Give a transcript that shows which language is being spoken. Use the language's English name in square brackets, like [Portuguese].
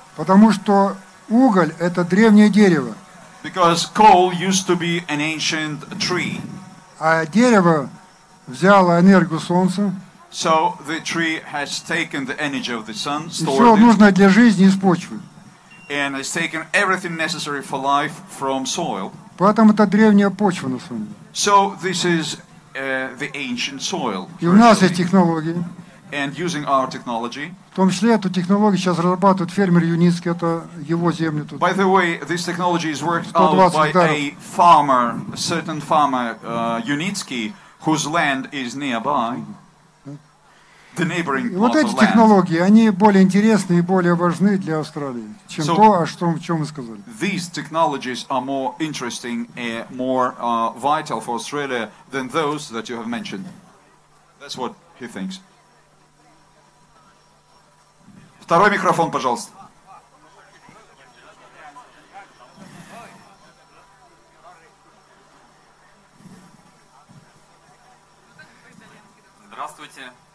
[Russian] Потому что уголь — это древнее дерево. [English] Because coal used to be an ancient tree. [Russian] А дерево взяло энергию солнца. [English] So the tree has taken the energy of the sun, stored it. [Russian] И всё нужно для жизни из почвы. [English] And it's taken everything necessary for life from soil. [Russian] Поэтому это древняя почва на самом деле. [English] So this is the ancient soil. [Russian] И у нас есть технологии. [English] And using our technology. [Russian] В том числе эту технологию сейчас разрабатывает фермер Юницкий, это его земли тут. [English] By the way, this technology is worked out by a farmer, a certain farmer, Юницкий, whose land is nearby. The neighboring plot of land. [Russian] Вот эти технологии, они более интересны и более важны для Австралии, чем то, о чем мы сказали. [English] These technologies are more interesting and more vital for Australia than those that you have mentioned. That's what he thinks. [Russian] Второй микрофон, пожалуйста. Здравствуйте.